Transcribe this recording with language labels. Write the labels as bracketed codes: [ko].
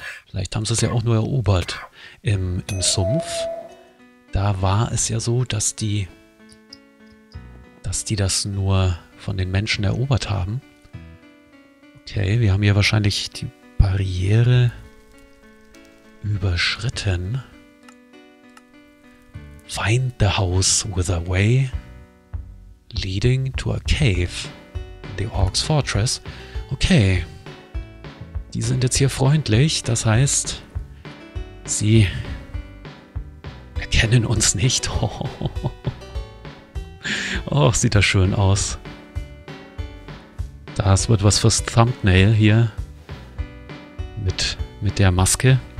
[de] Vielleicht haben sie es ja auch nur erobert. Im Sumpf, da war es ja so, dass die das nur von den Menschen erobert haben. Okay, wir haben hier wahrscheinlich die Barriere überschritten. [en] Find the house with a way leading to a cave. The Orc's Fortress. Okay. [de] Die sind jetzt hier freundlich, das heißt, sie erkennen uns nicht. Oh, sieht das schön aus. Das wird was fürs Thumbnail hier mit der Maske.